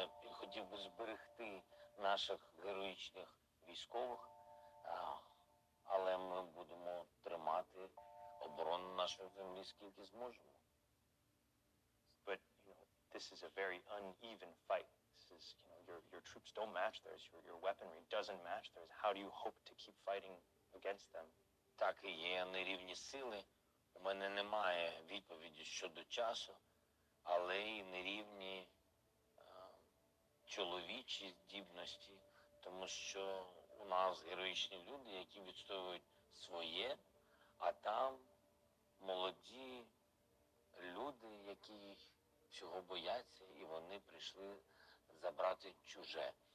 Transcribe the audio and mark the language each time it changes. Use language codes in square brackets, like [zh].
[uk] Хотів би зберегти наших героїчних військових, але ми будемо тримати оборону нашої землі, скільки зможемо. [en] But, you know, this is a very uneven fight. This is, you know, your troops don't match theirs, your weaponry doesn't match theirs. How do you hope to keep fighting against them? [uk] Так і є, нерівні сили. У мене немає відповіді щодо часу, але і нерівні чоловічі здібності, тому що у нас героїчні люди, які відстоюють своє, а там молоді люди, які всього бояться, і вони прийшли забрати чуже.